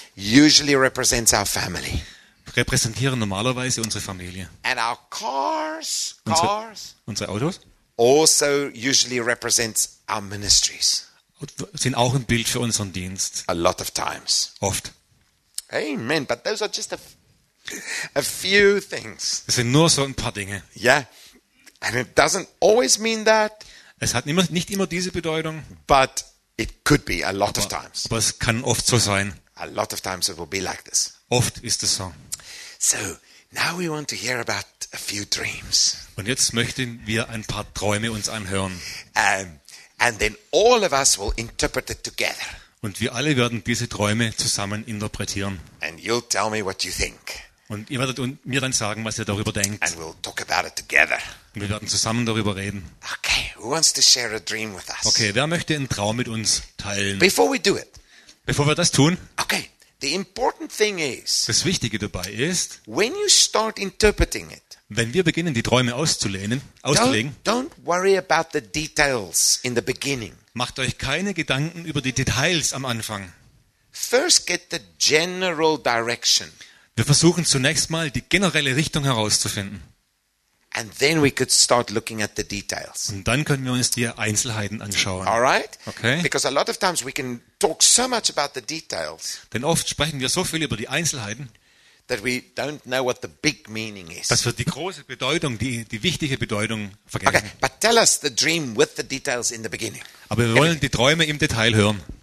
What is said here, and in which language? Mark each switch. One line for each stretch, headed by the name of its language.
English: Usually represents our family.
German: Repräsentieren normalerweise unsere Familie.
English: And our cars?
German: Unsere Autos?
English: Also usually represents our ministries.
German: Sind auch ein Bild für unseren Dienst.
English: A lot of times.
German: Oft.
English: Amen, but those are just a few things.
German: Es sind nur so ein paar Dinge.
English: Yeah. And it doesn't always mean that.
German: Es hat nicht immer diese Bedeutung.
English: But it could be a lot of times.
German: Aber es kann oft so sein.
English: A lot of times it will be like this.
German: Oft ist es so.
English: So, now we want to hear about a few dreams.
German: Und jetzt möchten wir ein paar Träume uns anhören.
English: And then all of us will interpret it together.
German: Und wir alle werden diese Träume zusammen interpretieren.
English: And you'll tell me what you think.
German: Und ihr werdet mir dann sagen, was ihr darüber denkt.
English: And we'll talk about it together.
German: Und wir werden zusammen darüber reden.
English: Okay, who wants to share a dream with us?
German: Okay, wer möchte einen Traum mit uns teilen?
English: Before we do it.
German: Bevor wir das tun.
English: Okay. The important thing is.
German: Das Wichtige dabei ist.
English: When you start interpreting it.
German: Wenn wir beginnen, die Träume auszulegen.
English: Don't worry about the details in the beginning.
German: Macht euch keine Gedanken über die Details am Anfang.
English: First get the general direction.
German: Wir versuchen zunächst mal die generelle Richtung herauszufinden.
English: And then we could start looking at the details.
German: Und dann können wir uns die Einzelheiten anschauen.
English: All right?
German: Okay.
English: Because a lot of times we can talk so much about the details.
German: Denn oft sprechen wir so viel über die Einzelheiten,
English: that we don't know what the big meaning is.
German: Dass wir die große Bedeutung, die wichtige Bedeutung vergessen.
English: Okay, but tell us the dream with the details in the beginning.
German: Aber wir wollen die Träume im Detail hören.